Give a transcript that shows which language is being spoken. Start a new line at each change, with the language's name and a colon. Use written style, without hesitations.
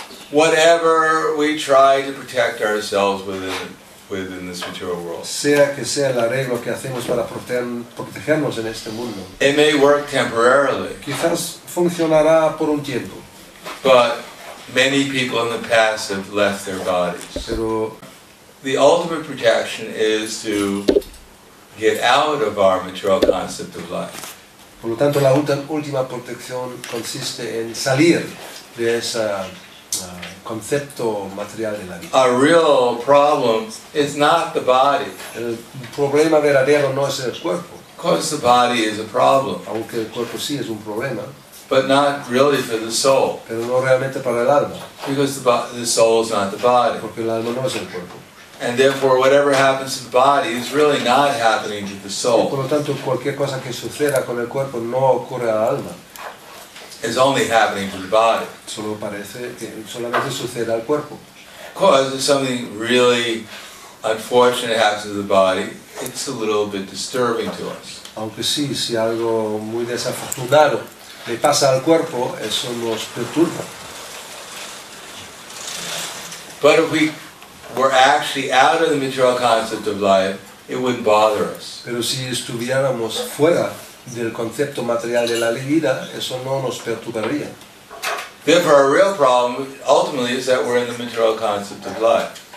English: Whatever we try to protect ourselves within this material world.
Spanish: Sea que sea la regla que hacemos para protegernos en este mundo.
English: It may work temporarily.
Spanish: Quizás funcionará por un tiempo.
English: But many people in the past have left their bodies.
Spanish: Pero
English: the ultimate protection is to get out of our material concept of life.
Spanish: Por lo tanto, la última protección consiste en salir de ese concepto material de la vida.
English: A real problem is not the body.
Spanish: El problema verdadero no es el cuerpo.
English: Because the body is a problem.
Spanish: Aunque el cuerpo sí es un problema.
English: But not really for the soul.
Spanish: Pero no realmente para el alma.
English: Because the soul is not the body.
Spanish: Porque el alma no es el cuerpo.
English: And therefore, whatever happens to the body is really not happening to the soul.
Spanish: Por lo tanto, cualquier cosa que suceda con el cuerpo no ocurre al alma.
English: It's only happening to the body.
Spanish: Solo parece que solamente sucede al cuerpo.
English: Because if something really unfortunate happens to the body, it's a little bit disturbing to us.
Spanish: Aunque sí, si algo muy desafortunado le pasa al cuerpo, eso nos perturba.
English: But if we're actually out of the material concept of life, it wouldn't bother us.
Spanish: Pero si estuviéramos fuera del concepto material de la vida, eso no nos perturbaría.
English: Therefore, our real problem ultimately is that we're in the material concept of life.